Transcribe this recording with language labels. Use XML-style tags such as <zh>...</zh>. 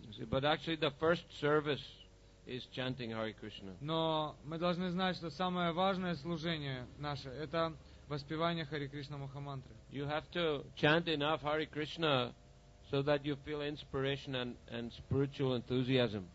<en>But actually the first service is chanting Hare Krishna.</en> <ru>Но мы должны знать, что самое важное служение наше это воспевание Хари Кришна Махамантры.</ru> <en>You have to chant enough Hare Krishna so that you feel inspiration and spiritual enthusiasm.</en>